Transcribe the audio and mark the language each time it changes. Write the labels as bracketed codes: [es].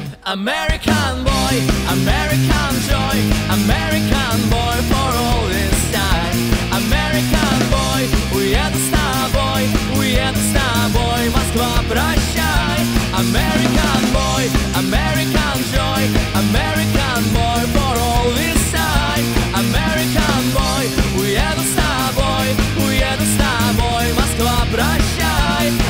[en] American boy, American joy, American boy for all this time. American boy, [ru] уеду с тобой, уеду с тобой, Москва, прощай. [en] American boy, American joy, American boy for all this time. American boy, [ru] уеду с тобой, уеду с тобой, Москва, прощай.